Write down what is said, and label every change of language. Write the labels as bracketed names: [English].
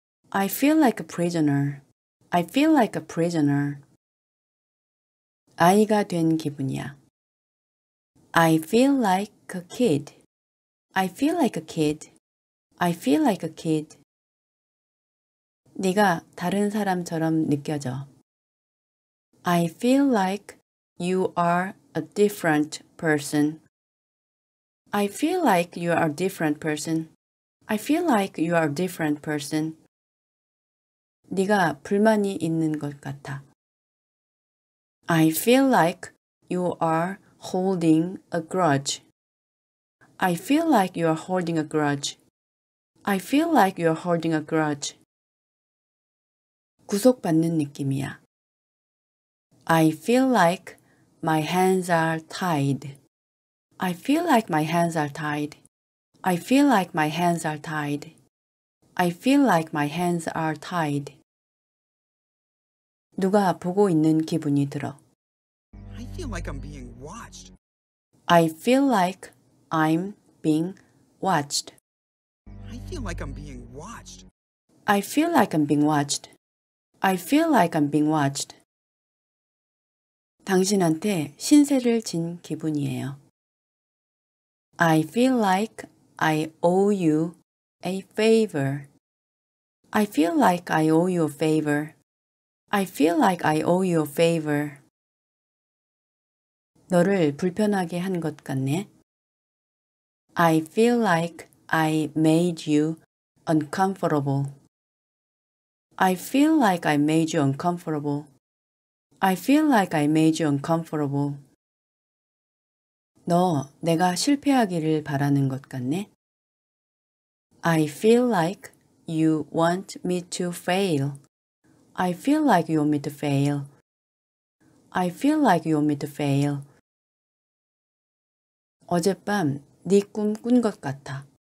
[English] I feel like a prisoner. I feel like a prisoner. [Korean] 아이가 된 기분이야. [English] I feel like a kid. I feel like a kid. I feel like a kid. [Korean] 네가 다른 사람처럼 느껴져. [English] I feel like you are a different person. I feel like you are a different person. I feel like you are a different person. [Korean] 네가 불만이 있는 것 같아. [English] I feel like you are holding a grudge. I feel like you are holding a grudge. I feel like you are holding a grudge. [Korean] 구속받는 느낌이야. [English] I feel like my hands are tied. I feel like my hands are tied. I feel like my hands are tied. I feel like my hands are tied. [Korean] 누가 보고 있는 기분이 들어. [English] I feel like I'm being watched. I feel like I'm being watched. I feel like I'm being watched. I feel like I'm being watched. I feel like I'm being watched. [Korean] 당신한테 신세를 진 기분이에요. [English] I feel like I owe you a favor. I feel like I owe you a favor. I feel like I owe you a favor. [Korean] 너를 불편하게 한 것 같네. [English] I feel like I made you uncomfortable. I feel like I made you uncomfortable. I feel like I made you uncomfortable. [Korean] 너 내가 실패하기를 바라는 것 같네. [English] I feel like you want me to fail. I feel like you want me to fail. I feel like you want me to fail. [Korean] 어젯밤 네 꿈 꾼 것 같아.